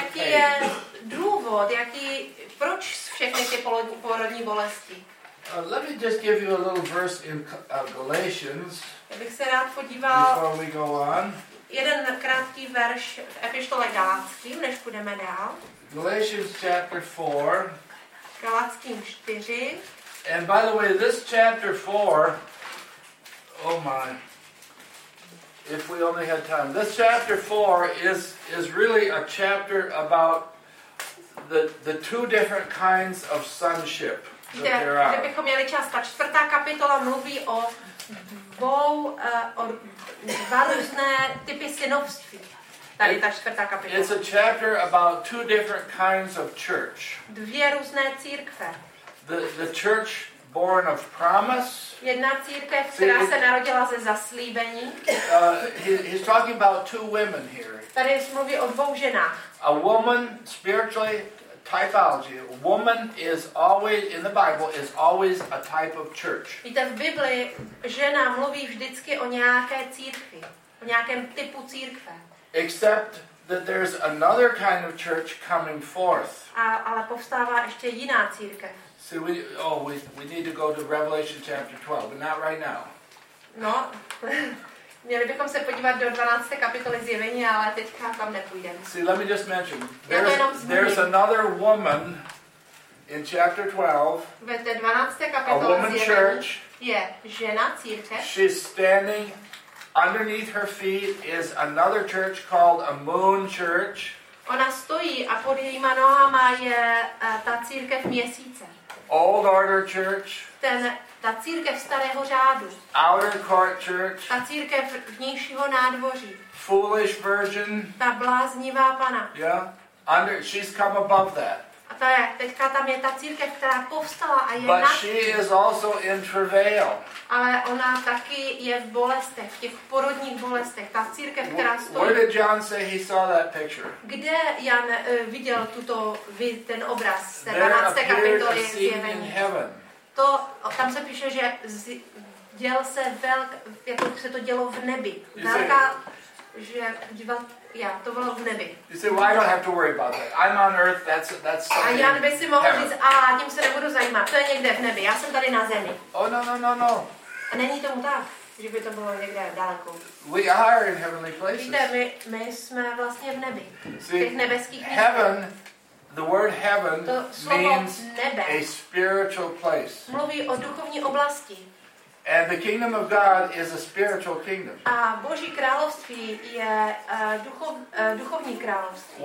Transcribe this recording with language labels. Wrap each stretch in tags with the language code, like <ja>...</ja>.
<cs>Jaký je důvod, jaký proč všechny ty porodní bolesti?</cs> <en>Let me just give you a little verse in Galatians.</en> <cs>Já bych se rád podíval.</cs> <en>Before we go on.</en> <cs>Jeden krátký verš epištole Galackým, než půjdeme dál.</cs> <en>Galatians chapter 4.</en> <cs>Galackým 4.</cs> <en>And by the way, this chapter 4, oh my, if we only had time. This chapter 4 is really a chapter about the two different kinds of sonship that there are.</en> <cs>Kdybychom měli čas, ta čtvrtá kapitola mluví o dvou, dva různé typy synovství. Tady ta čtvrtá kapitola.</cs> <en>It's a chapter about two different kinds of church.</en> <cs>Dvě různé církve.</cs> <en>The church born of promise.</en> <cs>Jedna církev, která se narodila ze zaslíbení.</cs> <en>He's talking about two women here.</en> <cs>Tady se mluví o dvou ženách.</cs> <en>A woman, spiritually, typology. A woman is always, in the Bible, is always a type of church.</en> <cs>Víte, v Biblii žena mluví vždycky o nějaké církvi. O nějakém typu církve.</cs> <en>Except that there's another kind of church coming forth.</en> <cs>Ale povstává ještě jiná církev.</cs> <en>See, we need to go to Revelation chapter 12, but not right now.</en> <cs>No, měli bychom se podívat do 12. kapitoly Zjevení, ale teďka tam nepůjdeme.</cs> <en>See, let me just mention, there's another woman In chapter 12,</en> <cs>ve té 12. kapitole</cs> <en>a woman church,</en> <cs>je žena církev.</cs> <en>She's standing. Underneath her feet is another church called a moon church.</en> <cs>Ona stojí a pod jejíma nohama je ta církev měsíce.</cs> <en>Old order church.</en> <cs>Ta církev starého řádu.</cs> <en>Outer court church.</en> <cs>Ta církev vnějšího nádvoří.</cs> <en>Foolish virgin.</en> <cs>Ta bláznivá pana.</cs> <en>Yeah. Under, she's come above that.</en> <cs>A to je, teďka tam je ta církev, která povstala a je</cs> <en>But she is also in travail.</en> <cs>Ale ona taky je v bolestech, v těch porodních bolestech. Ta církev, která stojí.</cs> <en>Where did John say he saw that picture?</en> <cs>Kde Jan viděl tuto ten obraz z 12. kapitoly zjevení? To tam se píše, že děl se velk, jako se to dělo v nebi. Velká, že díval.</cs> <en>You say, well, I don't have to worry about that. I'm on earth. That's something.</en> <cs>A Jan by si mohl říct, a tím se nebudu zajímat. To je někde v nebi. Já jsem tady na zemi.</cs> <en>Oh no.</en> <cs>A není tomu tak, že by to bylo někde daleko.</cs> <en>We are in heavenly places.</en> <cs>Víte, my jsme vlastně v nebi.</cs> <en>See,</en> <cs>v těch nebeských místech.</cs> <en>Heaven, the word heaven means</en> <cs>nebe.</cs> <en>A spiritual place.</en> <cs>Mluví o duchovní oblasti.</cs> <en>And the kingdom of God is a spiritual kingdom.</en> <cs>A Boží království je duchovní království.</cs>